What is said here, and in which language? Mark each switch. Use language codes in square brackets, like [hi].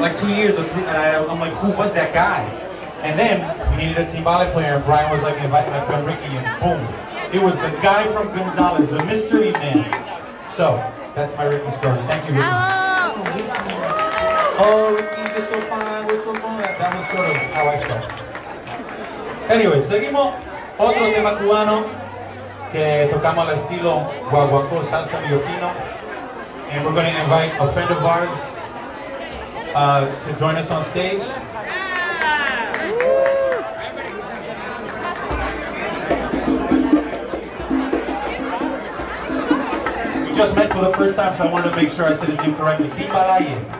[en] Like 2 years or three, and I'm like, who was that guy? And then we needed a timbale player, and Brian was like, invite my friend Ricky, and boom. It was the guy from Gonzalez, the mystery man. So, that's my Ricky story. Thank you, Ricky. Hello. Oh, Ricky, you're so fine, we're so fine. That was sort of how I felt. [es] Anyway, seguimos. Otro tema cubano que tocamos al estilo guaguancó, salsa neoyorquino. [en] And we're going to invite a friend of ours to join us on stage. We just met for the first time, so I wanted to make sure I said his name correctly. Timbalaye.